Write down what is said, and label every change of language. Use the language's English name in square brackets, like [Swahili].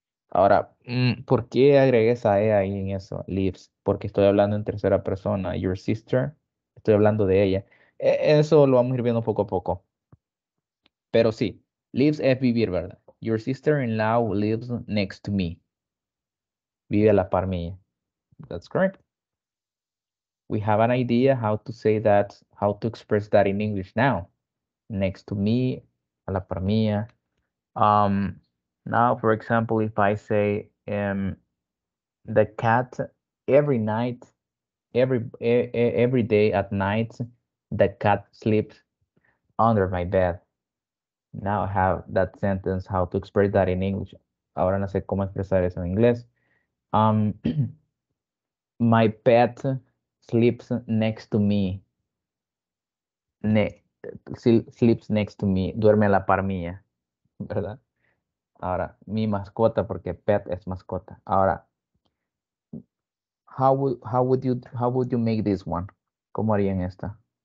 [Spanish] Ahora, ¿por qué agregué esa E ahí en eso? Lives. Porque estoy hablando en tercera persona. [English] Your sister. [Spanish] Estoy hablando de ella. Eso lo vamos a ir viendo poco a poco. Pero sí. Lives es vivir, ¿verdad? [English] Your sister-in-law lives next to me. [Spanish] Vive a la par mía. [English] That's correct. We have an idea how to say that, how to express that in English now. Next to me, [Spanish] a la par mía. [English] Now, for example, if I say the cat every night, every day at night, the cat sleeps under my bed. Now I have that sentence, how to express that in English. [Spanish] Ahora no sé cómo expresar eso en inglés. [English] My pet sleeps next to me. Sleeps next to me. [Spanish] Duerme a la par mía. ¿Verdad? Ahora, mi mascota, porque pet es mascota. Ahora, [English] how would you make this one? [Spanish] ¿Cómo harían esta?